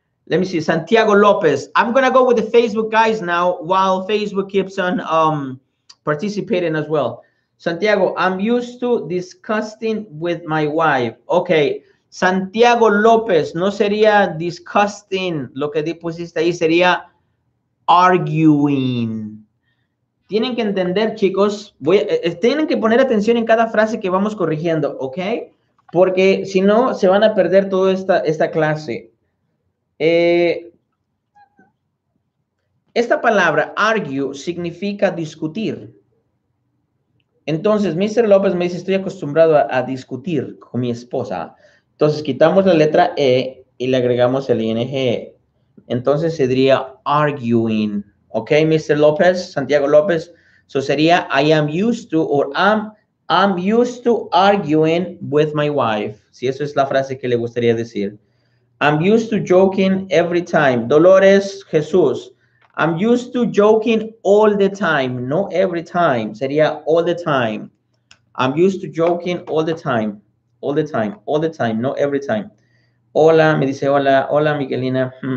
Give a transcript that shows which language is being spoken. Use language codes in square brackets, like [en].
[en] Let me see, Santiago Lopez. I'm going to go with the Facebook guys now while Facebook keeps on participating as well. Santiago, I'm used to discussing with my wife. [es] Okay, Santiago Lopez, no sería discussing lo que pusiste ahí, sería arguing. Tienen que entender, chicos, tienen que poner atención en cada frase que vamos corrigiendo, okay? Porque si no, se van a perder toda esta clase. Esta palabra argue significa discutir. Entonces, Mr. López me dice, estoy acostumbrado a discutir con mi esposa. Entonces, quitamos la letra E y le agregamos el ING. Entonces, sería arguing. ¿Ok, Mr. López? Santiago López. [en] So, sería I am used to or I'm used to arguing with my wife. [es] Si eso es la frase que le gustaría decir. [en] I'm used to joking every time. Dolores Jesús. I'm used to joking all the time. No every time. Sería all the time. I'm used to joking all the time. All the time. All the time. No every time. [es] Hola, me dice hola. Hola, Miguelina.